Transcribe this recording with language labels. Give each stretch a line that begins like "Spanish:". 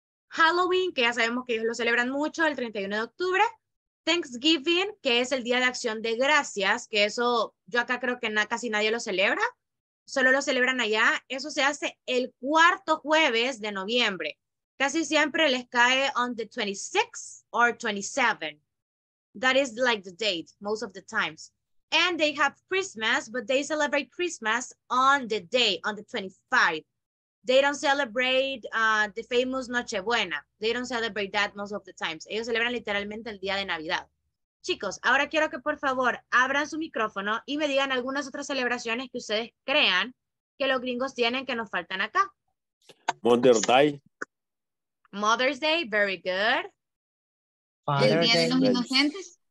Spanish: Halloween, que ya sabemos que ellos lo celebran mucho, el 31 de octubre. Thanksgiving, que es el Día de Acción de Gracias, que eso yo acá creo que casi nadie lo celebra, solo lo celebran allá. Eso se hace el cuarto jueves de noviembre. Casi siempre les cae
English: on the 26th or 27th. That is like the date, most of the times. And they have Christmas, but they celebrate Christmas on the day, on the 25th. They don't celebrate the famous Nochebuena. They don't celebrate that most of the times.
Spanish: Ellos celebran literalmente el día de Navidad. Chicos, ahora quiero que por favor abran su micrófono y me digan algunas otras celebraciones que ustedes crean que los gringos tienen que nos faltan acá.
English: Mother's Day. Mother's Day, very good. Father's Day.
Spanish: El día de los inocentes.